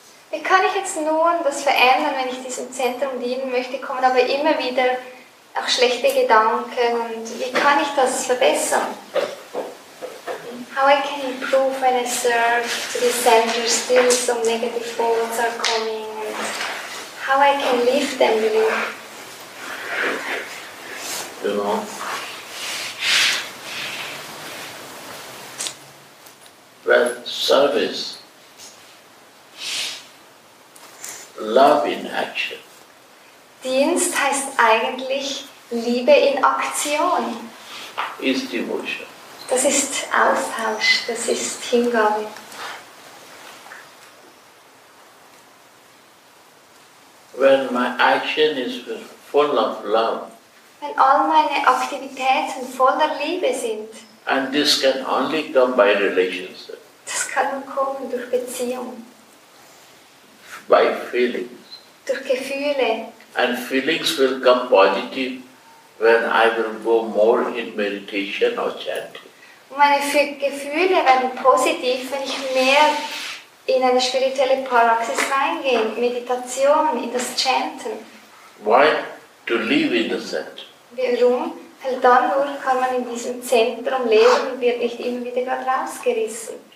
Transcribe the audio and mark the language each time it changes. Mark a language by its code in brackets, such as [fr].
[de] Wie kann ich jetzt nun das verändern, wenn ich diesem Zentrum dienen möchte, kommen aber immer wieder auch schlechte Gedanken, und wie kann ich das verbessern? [en] How I can improve when I serve to the center, still some negative thoughts are coming, and how I can leave them really? Well, service, love in action. [de] Dienst heißt eigentlich Liebe in Aktion. [en] Is devotion. [de] Das ist Austausch, das ist Hingabe. [en] When my action is full of love. [de] Wenn all meine Aktivitäten voller Liebe sind. [en] And this can only come by relationship. [de] Das kann nur kommen durch Beziehung. [en] By feelings. [de] Durch Gefühle. [en] And feelings will come positive when I will go more in meditation or chanting. [de] Und meine Gefühle werden positiv, wenn ich mehr in eine spirituelle Praxis reingehe, Meditation, in das Chanten. [en] Why? To live in the center. [de] Warum? Weil dann nur kann man in diesem Zentrum leben und wird nicht immer wieder gerade rausgerissen.